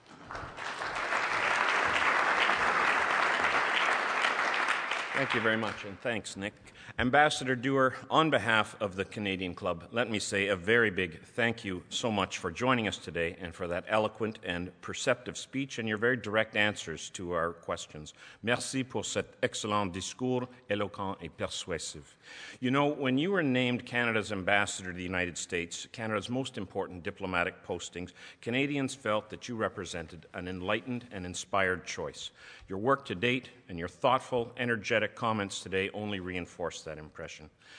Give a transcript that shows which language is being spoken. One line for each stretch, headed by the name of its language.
English: Thank you very much, and thanks, Nick. Ambassador Dewar, on behalf of the Canadian Club, let me say a very big thank you so much for joining us today and for that eloquent and perceptive speech and your very direct answers to our questions.
French: Merci pour cet excellent discours, éloquent et persuasif.
English: You know, when you were named Canada's ambassador to the United States, Canada's most important diplomatic postings, Canadians felt that you represented an enlightened and inspired choice. Your work to date and your thoughtful, energetic comments today only reinforce that impression.